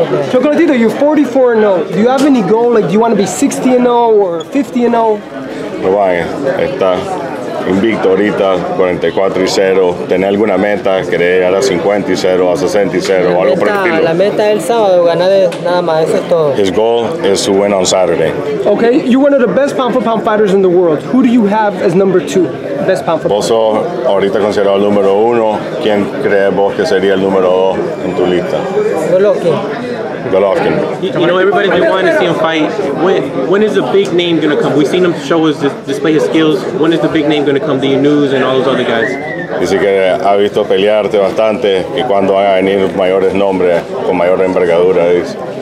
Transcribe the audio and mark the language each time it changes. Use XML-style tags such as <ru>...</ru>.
<en>Chocolatito, you're 44-0. Do you have any goal? Like, do you want to be 60-0 or 50-0?</en> <es>Bye. Está invicto ahorita, 44-0. ¿Tenés alguna meta? ¿Querés llegar a 50-0, a 60-0 o algo por el estilo? La meta es el sábado, ganar nada más, eso es todo.</es> <en>His goal is to win on Saturday. Okay, you're one of the best pound-for-pound fighters in the world. Who do you have as number two, best pound-for-pound?</en> <es>Vos sos ahorita considerado el número uno. ¿Quién crees vos que sería el número dos en tu lista? Golovkin. Golovkin.</es> <en>You know, everybody's been wanting to see him fight. When is the big name going to come? We've seen him show us, display his skills. When is the big name going to come? The EsNews and all those other guys.</en> <es>Dice que ha visto pelearte bastante, que cuando van a venir mayores nombres, con mayor envergadura, dice.</es>